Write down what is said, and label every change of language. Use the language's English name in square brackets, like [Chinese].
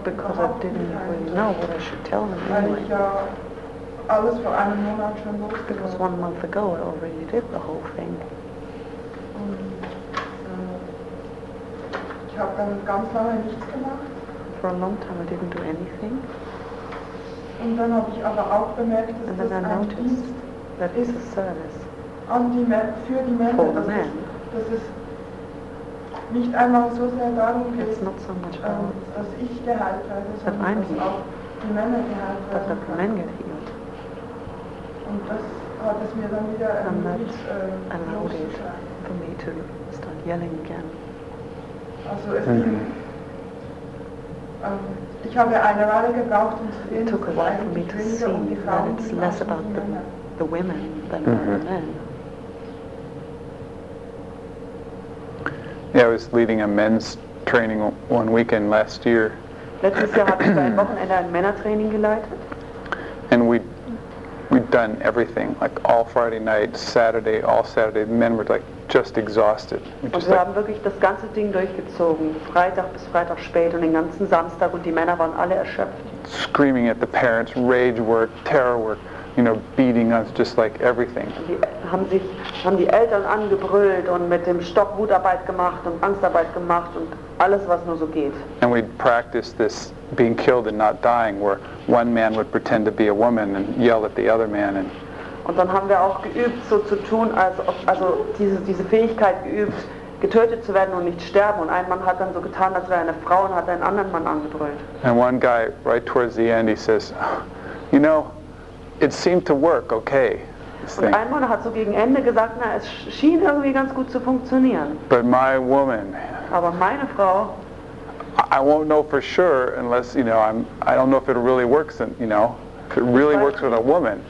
[English] because I didn't really know what I should tell them [German] weil [English] anyway. [German] Ich ja alles vor einem Monat schon wusste. [English] Because 1 month ago I already did the whole thing. [German] Und ich habe dann ganz lange nichts gemacht. [English] For a long time I didn't do anything. [German] Und dann habe ich aber auch bemerkt, dass das ein Dienst [English] that is a service [German] an die für die Männer, dass es nicht einmal so sehr darum geht, dass ich geheilt werde, sondern dass auch die Männer geheilt werden können. Und das hat es mir dann wieder ermöglicht, [English] for me to start yelling again. [German] Also es ging. Ich habe eine Weile gebraucht, um zu sehen, [English] it took a while for me to see that it's less about the women than the men. Yeah, I was leading a men's training 1 weekend last year. [German] Letztes Jahr habe ich ein Wochenende ein Männertraining geleitet. [English] And we'd done everything, like all Friday night, Saturday, all Saturday. The men were like just exhausted. [German] Und wir haben wirklich das ganze Ding durchgezogen, Freitag bis Freitag spät und den ganzen Samstag, und die Männer waren alle erschöpft. [English] Screaming at the parents, rage work, terror work, you know, beating us, just like everything. [German] Die haben die Eltern angebrüllt und mit dem Stock Wutarbeit gemacht und Angstarbeit gemacht und alles, was nur so geht. [English] And we'd practice this being killed and not dying, where one man would pretend to be a woman and yell at the other man. And [German] und dann haben wir auch geübt, so zu tun, also diese Fähigkeit geübt, getötet zu werden und nicht sterben. Und ein Mann hat dann so getan, als wäre eine Frau, und hat einen anderen Mann angebrüllt. [English] And one guy, right towards the end, he says, you know, it seemed to work, okay. [German] Und ein Mann hat so gegen Ende gesagt, na, es schien irgendwie ganz gut zu funktionieren. [English] But my woman, [German] aber meine Frau, [English] I won't know for sure unless, you know, I don't know if it really works, and, you know, if it really works with a woman.